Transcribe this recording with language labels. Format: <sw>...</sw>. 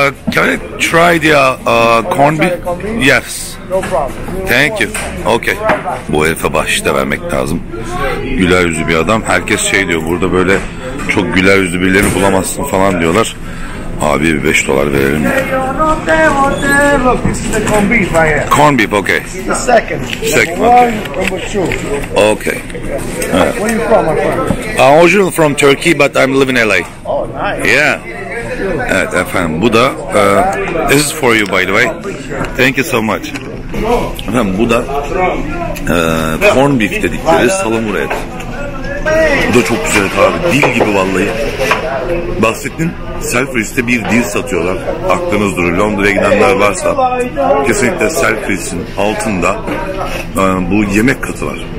<en>Can I try the corned beef? Yes. Thank you. Okay.</en> <tr>Bu herife bahşişte vermek lazım. Güler yüzlü bir adam. Herkes şey diyor, burada böyle çok güler yüzlü birilerini bulamazsın falan diyorlar. Abi bir 5 dolar verelim.</tr> <en>Corned beef, corn beef, okay. Second. Okay. Okay. Where are you from, my friend? I'm originally from Turkey, but I'm living in LA. Oh, nice. Yeah.</en> <tr>Evet efendim, bu da</tr> <en>this is for you by the way. Thank you so much.</en> <tr>Efendim bu da corned beef dedikleri salamura et. Bu da çok güzel abi. Dil gibi vallahi. Bahsettin, Selfridge'de bir dil satıyorlar. Aklınız durur. Londra'ya gidenler varsa kesinlikle Selfridge'in altında bu yemek katı var.</tr>